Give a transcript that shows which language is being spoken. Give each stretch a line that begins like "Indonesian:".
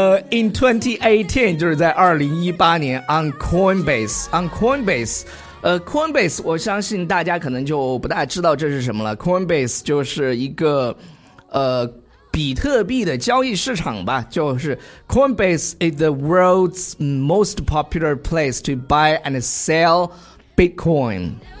English: in 2018
Chinese: 就是在2018年
English: on Coinbase。
Chinese: Coinbase 我相信大家可能就不大知道这是什么了。
English: Coinbase
Chinese: 就是一个比特币的交易市场吧，就是
English: Coinbase is the world's most popular place to buy and sell Bitcoin。